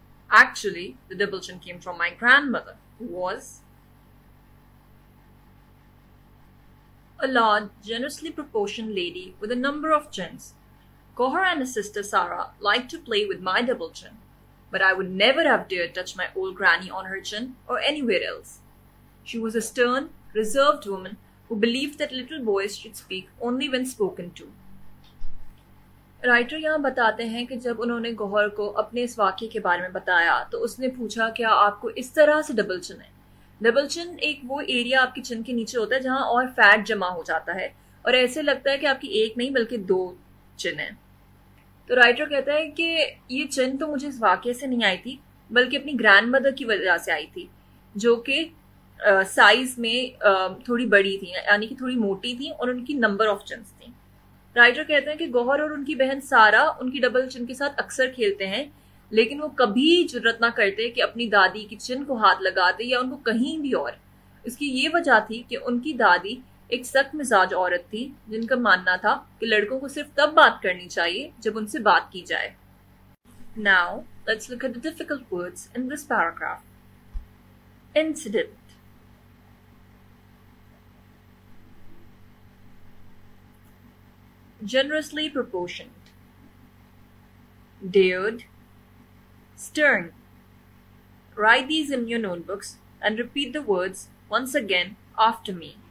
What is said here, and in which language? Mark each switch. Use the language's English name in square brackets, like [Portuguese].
[English] "Actually, the double chin came from my grandmother, who was a large, generously proportioned lady with a number of chins. Ghouri and his sister Sarah liked to play with my double chin, but I would never have dared touch my old granny on her chin or anywhere else. She was a stern, reserved woman who believed that little boys should speak only when spoken to." [Hindi] Writer यहाँ बताते हैं कि जब उन्होंने गौहर को अपने इस वाक्य के बारे में बताया तो उसने पूछा क्या आपको इस तरह से डबल चिन है। डबल चिन एक वो एरिया आपकी चिन के नीचे होता है जहाँ और फैट जमा हो जाता है और ऐसे लगता है कि आपकी एक नहीं बल्कि दो चिन है। तो राइटर कहता है कि ये चिन तो मुझे इस वाक्य से नहीं आई थी बल्कि अपनी ग्रैंड मदर की वजह से आई थी जो कि साइज में थोड़ी बड़ी थी यानी कि थोड़ी मोटी थी और उनकी नंबर ऑफ चिन्स थी। राइटर कहते हैं कि गौहर और उनकी बहन सारा उनकी डबल चिन के साथ अक्सर खेलते हैं लेकिन वो कभी जरूरत ना करते कि अपनी दादी की चिन को हाथ लगाते या उनको कहीं भी और। इसकी ये वजह थी कि उनकी दादी एक सख्त मिजाज औरत थी जिनका मानना था कि लड़कों को सिर्फ तब बात करनी चाहिए जब उनसे बात की जाए। [English] Now let's look at the difficult words in this paragraph. Incident, generously proportioned, dared, stern. Write these in your notebooks and repeat the words once again after me.